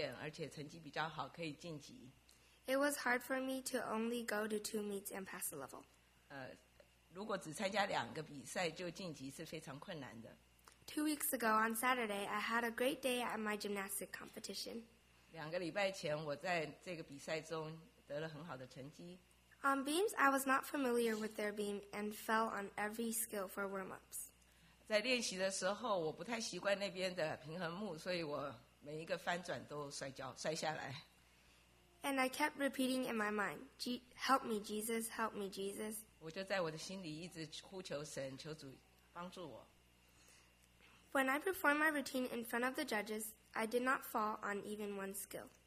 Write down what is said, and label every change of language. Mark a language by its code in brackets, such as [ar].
[zh] 但是我们的教练希望我们可以多参加比赛，这样子可以多一点经验，而且成绩比较好，可以晋级。 [en] It was hard for me to only go to 2 meets and pass the level. [zh] 如果只参加2个比赛就晋级是非常困难的。 [en] 2 weeks ago on Saturday, I had a great day at my gymnastic competition. [zh] 2个礼拜前我在这个比赛中得了很好的成绩。 [en] On beams, I was not familiar with their beam and fell on every skill for warm-ups. [zh] 在练习的时候，我不太习惯那边的平衡木，所以我每一个翻转都摔下来。 [en] And I kept repeating in my mind, "Help me, Jesus! Help me, Jesus!" [zh] 我就在我的心里一直呼求神，求主帮助我。 [en] When I performed my routine in front of the judges, I did not fall on even one skill.